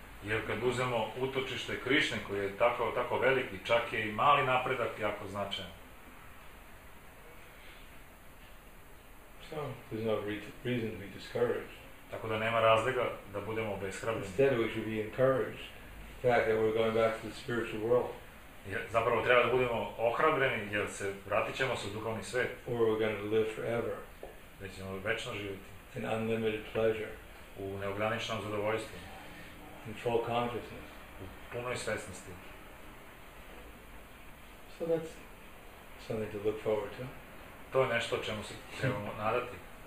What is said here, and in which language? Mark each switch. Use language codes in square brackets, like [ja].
[sr] Jer kad uzemo utočište Krišne koji je tako veliki, čak je i mali napredak jako značajan. [en] So there's no reason to be discouraged. [sr] Tako da nema razloga da budemo obeshrabljeni. [en] Instead we should be encouraged. The fact that we're going back to the spiritual world. [sr] Zapravo treba da budemo ohrabreni jer se vratit ćemo se u duhovni svet. [en] Or we're going to live forever. [sr] Da ćemo večno živjeti. [en] In unlimited pleasure. [sr] U neograničenom zadovoljstvu. [en] In full consciousness. [sr] U punoj svjesnosti. [en] So that's something to look forward to. [sr] To je nešto čemu se trebamo nadati.